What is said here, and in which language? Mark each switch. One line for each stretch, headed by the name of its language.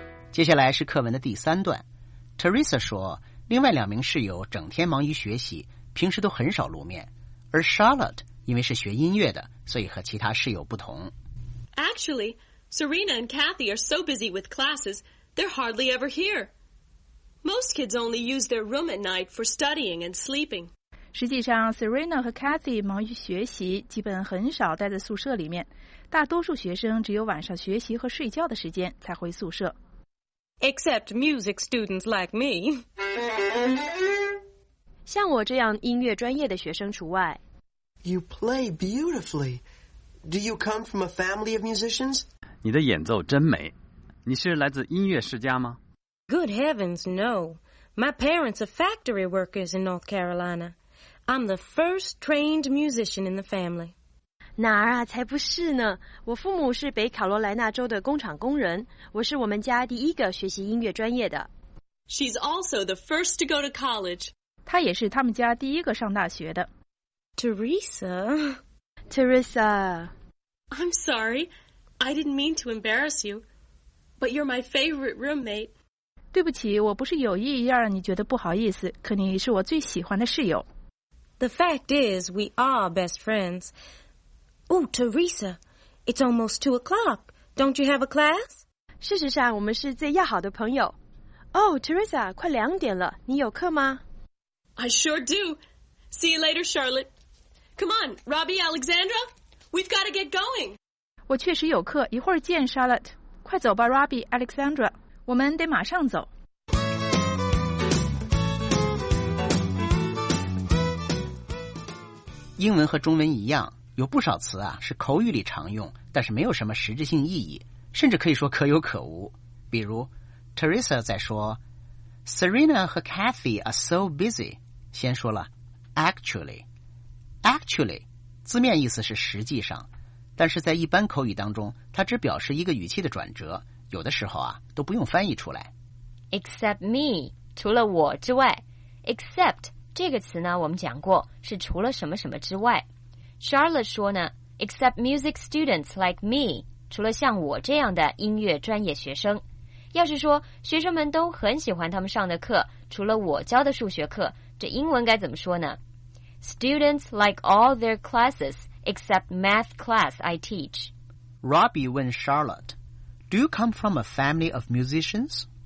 Chinese: 接下来是课文的第三段。Teresa 说另外两名室友整天忙于学习，平时都很少露面，而 Charlotte 因为是学音乐的，所以和其他室友不同。
English: Actually, Serena and Cathy are so busy with classes, they're hardly ever here. Most kids only use their room at night for studying and sleeping.
Chinese: 实际上 Serena 和 Cathy 忙于学习，基本很少待在宿舍里面。大多数学生只有晚上学习和睡觉的时间才回宿舍。
English: Except music students like me.
Chinese: 像我这样音乐专业的学生除外。
English: You play beautifully. Do you come from a family of musicians?
Chinese: 你的演奏真美。你是来自音乐世家吗？
English: Good heavens, no. My parents are factory workers in North Carolina. I'm the first trained musician in the family.
Chinese: 哪儿啊，才不是呢。我父母是北卡罗来纳州的工厂工人，我是我们家第一个学习音乐专业的。
English: She's also the first to go to college.
Chinese: 她也是他们家第一个上大学的。
English: Teresa? Teresa. I'm sorry. I didn't mean to embarrass you. But you're my favorite roommate.
Chinese: 对不起，我不是有意要让你觉得不好意思，可你是我最喜欢的室友。
English: The fact is, we are best friends. Oh, Teresa, it's almost 2 o'clock. Don't you have a class?
Chinese: 事实上，我们是最要好的朋友。Oh, Teresa, 快两点了，你有课吗？
English: I sure do. See you later, Charlotte. Come on, Robbie, Alexandra, we've got to get going.
Chinese: 我确实有课，一会儿见 ，Charlotte。快走吧 ，Robbie, Alexandra， 我们得马上走。英文和中文一样，有不少词啊是口语里常用，但是没有什么实质性意义，甚至可以说可有可无。比如 Teresa 在说 Serena 和 Kathy
English: are so busy，
Chinese: 先说了 actually 字面意思是实际上，但是在一般口语当中，它只表示一个语气的转折，有的时候啊都不用翻译出来。 except me， 除了我之外。except这个词呢，我们讲过是除了什么什么之外。 Charlotte 说呢，
English: except music students like me，
Chinese: 除了像我这样的音乐专业学生。要是说学生们都很喜欢他们上的课，除了我教的数学课，这英文该怎么说呢？
English: Students like all their classes except math class I teach.
Chinese: Robbie 问 Charlotte，
English: Do you come from a family of musicians？